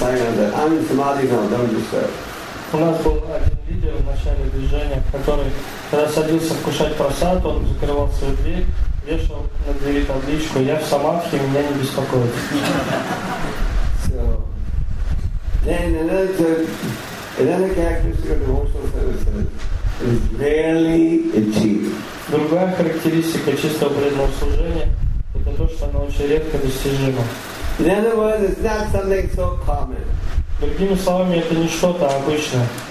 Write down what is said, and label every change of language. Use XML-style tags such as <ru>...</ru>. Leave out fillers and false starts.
<ru>У нас был один лидер в начале движения, который, когда садился вкушать прасад, он закрывал свою дверь, вешал на двери табличку, я в самадхи, меня не беспокоит.</ru> <en>So, then another characteristic of devotional service is rarely achieved.</en> <ru>Другая характеристика чистого преданного служения — это то, что оно очень редко достижимо.</ru> <en>In other words, it's not something so common.</en> <ru>Другими словами, это не что-то обычное.</ru>